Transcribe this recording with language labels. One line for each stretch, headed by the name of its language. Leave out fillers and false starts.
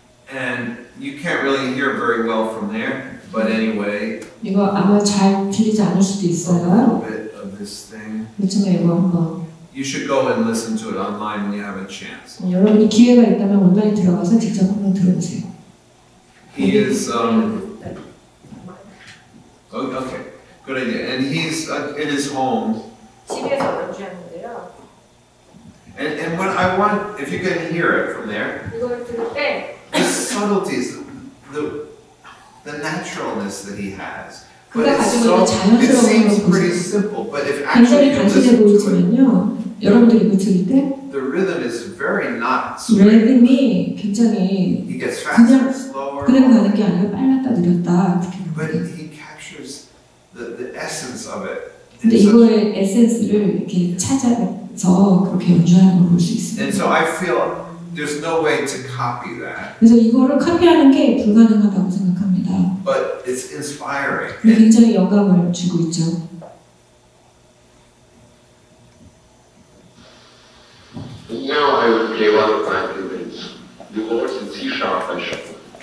English: And you can't really hear very well from there, but anyway.
Korean: 이거 아마 잘 들리지 않을 수도 있어요.
English: A little bit of this thing.
Korean: 그렇죠, 이거 한번.
English: You should go and listen to it online when you have a chance.
Korean: 여러분이 기회가 있다면 온라인 들어가서 직접 한번 들어보세요.
English: He is okay. Good idea. And he's in his home.
Korean: 집에서 연주했는데요.
English: And what I want, if you can hear it from there.
Korean: 이걸 들을 때.
English: The subtleties, the naturalness that he has.
Korean: 그가 가지고 있는 자연스러운
English: 것. It seems pretty simple, but if actually you listen to it.
Korean: 여러분들이 그칠 때
English: the rhythm is very not straight.
Korean: 리듬이 굉장히
English: he gets faster,
Korean: 그냥
English: slower,
Korean: 그냥 가는 게 아니라 빨랐다 느렸다
English: but he captures the essence of it.
Korean: 근데 이거의 에센스를 이렇게 찾아서 그렇게 연주하는 걸 볼 수 있습니다.
English: And so I feel there's no way to copy that.
Korean: 그래서 이거를 카피하는 게 불가능하다고 생각합니다.
English: But it's inspiring.
Korean: 굉장히 영감을 주고 있죠.
English: Now I would play one of my favorites, the chords in C sharp and shuffle.